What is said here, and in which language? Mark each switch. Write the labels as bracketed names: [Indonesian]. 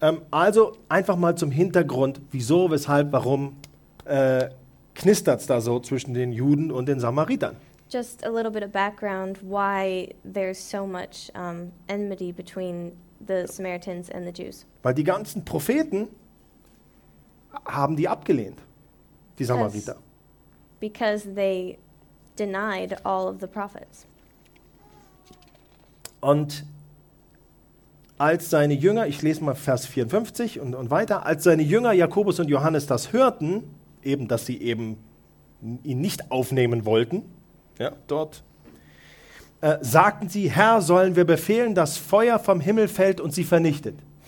[German] Also einfach mal zum Hintergrund, wieso, weshalb, warum knistert es da so zwischen den Juden und den Samaritern? [English] Just a little bit of background, why there's so much enmity between the Samaritans and the Jews. [German] Weil die ganzen Propheten haben die abgelehnt, die Samariter. [English] Because they denied all of the prophets. [German] Und als seine Jünger, ich lese mal Vers 54 und weiter, als seine Jünger Jakobus und Johannes das hörten, eben, dass sie eben ihn nicht aufnehmen wollten, Ja, dort. Sagten sie, Herr, sollen wir befehlen, dass Feuer vom Himmel fällt und sie vernichtet?